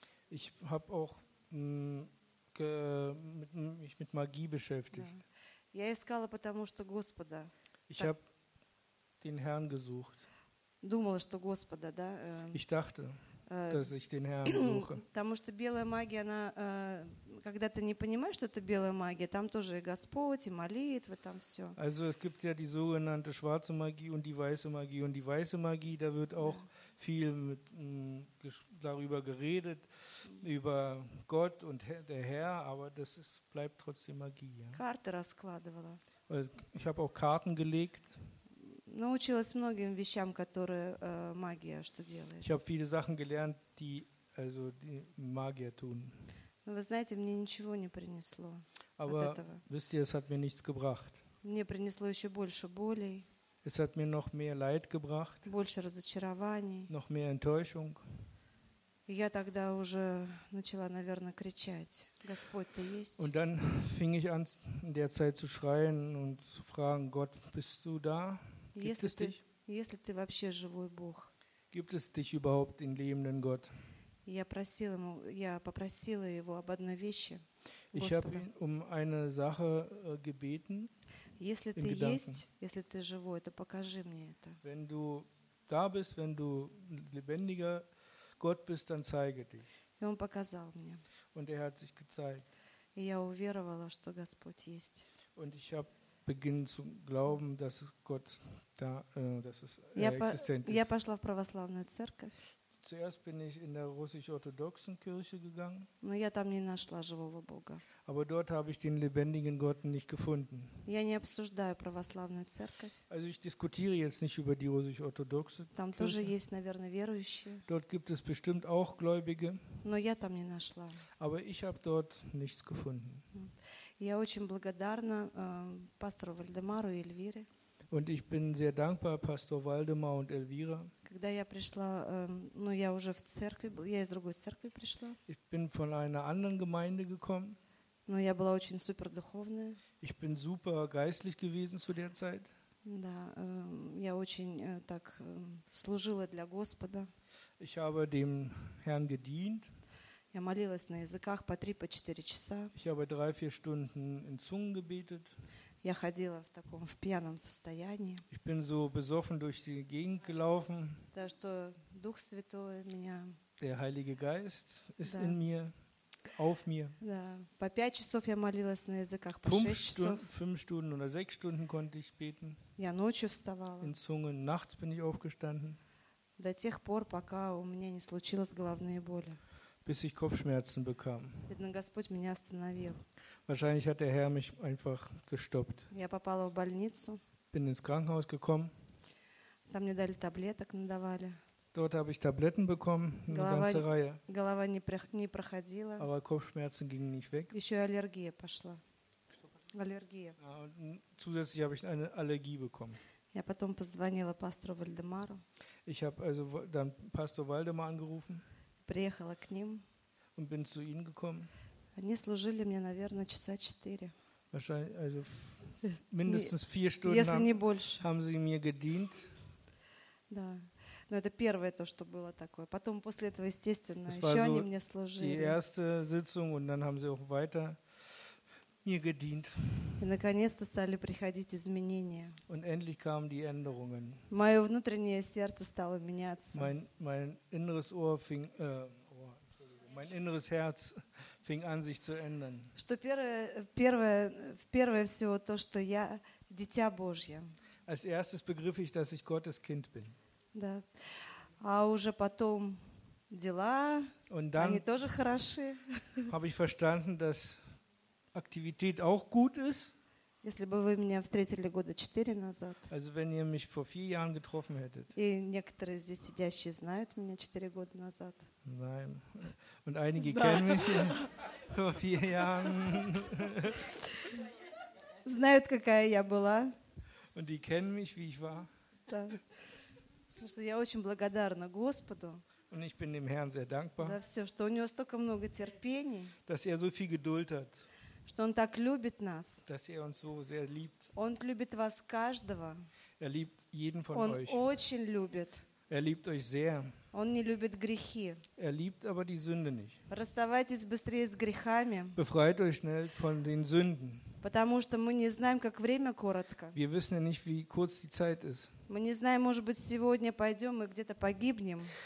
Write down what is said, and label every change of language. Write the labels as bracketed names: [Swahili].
[German] Ich habe auch mich mit Magie beschäftigt. [Russian] Да. Я искала, потому что Господа. [German] Ich habe den Herrn gesucht. [Russian] Думала, что Господа, да? [German] Ich dachte, dass ich den Herrn suche. [Russian] Потому что белая магия, она, когда ты не понимаешь, что это белая магия, там тоже и Господь, и молитвы, там все. [German] Also es gibt ja die sogenannte schwarze Magie und die weiße Magie. Und die weiße Magie, da wird auch viel mit, darüber geredet, über Gott und der Herr, aber das ist, bleibt trotzdem Magie. Ja? [Russian] Карты раскладывала. [German] Ich habe auch Karten gelegt. [Russian] Научилась многим вещам, которые магия что делает. [German] Ich habe viele Sachen gelernt, die also die Magier tun. [Russian] Но вы знаете, мне ничего не принесло. [German] Aber [Russian] от этого. [German] Wisst ihr, es hat mir nichts gebracht. [Russian] Мне принесло еще больше болей. [German] Es hat mir noch mehr Leid gebracht. [Russian] Больше разочарований. [German] Noch mehr Enttäuschung. [Russian] Я тогда уже начала, наверное, кричать: Господь, ты есть? [German] Und dann fing ich an, in der Zeit zu schreien und zu fragen: Gott, bist du da? [Russian] Если ты вообще живой Бог, [German] Gibt es dich überhaupt den lebenden Gott? [Russian] Я попросила его об одной вещи. [German] Ich habe ihn um eine Sache gebeten. [Russian] Если ты есть, если ты живой, то покажи мне это. [German] Wenn du da bist, wenn du lebendiger Gott bist, dann zeige dich. [Russian] И он показал мне. [German] Und er hat sich gezeigt. [Russian] И я уверовала, что Господь есть. [German] Und ich habe beginnen zu glauben, dass Gott da, dass es existent ist. [Russian] Я пошла в православную церковь. [German] Zuerst bin ich in der russisch-orthodoxen Kirche gegangen. [Russian] Но я там не нашла живого Бога. [German] Aber dort habe ich den lebendigen Gott nicht gefunden. [Russian] Я не обсуждаю православную церковь. [German] Also ich diskutiere jetzt nicht über die russisch-orthodoxe Kirche. [Russian] Там тоже есть, наверное, верующие. [German] Dort gibt es bestimmt auch Gläubige. [Russian] Но я там не нашла. [German] Aber ich habe dort nichts gefunden. [Russian] Я очень благодарна пастору Вальдемару и Эльвире. [German] Und ich bin sehr dankbar, Pastor Waldemar und Elvira. [Russian] Когда я пришла, ну я уже в церкви, я из другой церкви пришла. [German] Ich bin von einer anderen Gemeinde gekommen. [Russian] Ну я была очень супер духовная. [German] Ich bin super geistlich gewesen zu der Zeit. [Russian] Да, я очень так служила для Господа. [German] Ich habe dem Herrn gedient. [Russian] Я молилась на языках по 3-4 часа. [German] Ich habe 3-4 Stunden in Zungen gebetet. [Russian] Я ходила в таком в пьяном состоянии. [German] Ich bin so besoffen durch die Gegend gelaufen. [Russian] Да, что Дух Святой меня. [German] Der Heilige Geist ist in mir, auf mir. [Russian] Да, по 5 часов я молилась на языках, по 6 часов. [German] 5 Stunden oder 6 Stunden konnte ich beten. [Russian] Я ночью вставала. [German] In Zungen, nachts bin ich aufgestanden. [Russian] До тех пор, пока у меня не случилось головные боли. [German] Bis ich Kopfschmerzen bekam. [Russian] Видно, Господь меня остановил. [German] Wahrscheinlich hat der Herr mich einfach gestoppt. [Russian] Я попала в больницу. [German] Bin ins Krankenhaus gekommen. [Russian] Там мне дали таблеток, надавали. [German] Dort habe ich Tabletten bekommen, [Russian] голова, [German] eine ganze Reihe. [Russian] Голова не проходила. [German] Aber Kopfschmerzen gingen nicht weg. [Russian] Еще аллергия пошла. Аллергия. [German] Zusätzlich habe ich eine Allergie bekommen. [Russian] Я потом позвонила пастору Вальдемару. [German] Ich habe also dann Pastor Waldemar angerufen. [Russian] Приехала к ним. [German] Und bin zu ihnen gekommen. [Russian] Они служили мне, наверное, часа 4. [German] Wahrscheinlich, also mindestens 4 Stunden haben sie mir gedient. [Russian] Да. Но это первое то, что было такое. Потом после этого, естественно, еще они мне служили. [German] Die erste Sitzung und dann haben sie auch weiter mir gedient. [Russian] И наконец-то стали приходить изменения. [German] Und endlich kamen die Änderungen. [Russian] Мое внутреннее сердце стало меняться. [German] Mein inneres Herz fing an, sich zu ändern. [Russian] Что первое всего то, что я дитя Божье. [German] Als erstes begriff ich, dass ich Gottes Kind bin. [Russian] Да. А уже потом дела, они тоже хороши. [German] Habe ich verstanden, dass Aktivität auch gut ist. [Russian] Если бы вы меня встретили года 4 назад. [German] Also wenn ihr mich vor 4 Jahren getroffen hättet. [Russian] И некоторые здесь сидящие знают меня 4 года назад. [German] Nein. Und einige kennen mich vor 4 Jahren. [Russian] Знают, какая я была. [German] Und die kennen mich, wie ich war. [Russian] Да. Потому что я очень благодарна Господу. [German] Und ich bin dem Herrn sehr dankbar. [Russian] За все, что у него столько много терпений. [German] Dass er so viel Geduld hat. [Russian] Что он так любит нас. [German] Dass er uns so sehr liebt. [Russian] Он любит вас каждого. [German] Er liebt jeden von [Russian] он [German] euch. [Russian] Очень любит. [German] Er liebt euch sehr. [Russian] Он не любит грехи. [German] Er liebt aber die Sünde nicht. [Russian] Расставайтесь быстрее с грехами. [German] Befreit euch schnell von den Sünden. [Russian] Потому что мы не знаем, как время коротко. [German] Wir wissen ja nicht, wie kurz die Zeit ist. [Russian] Мы не знаем, может быть, сегодня пойдем и где-то погибнем.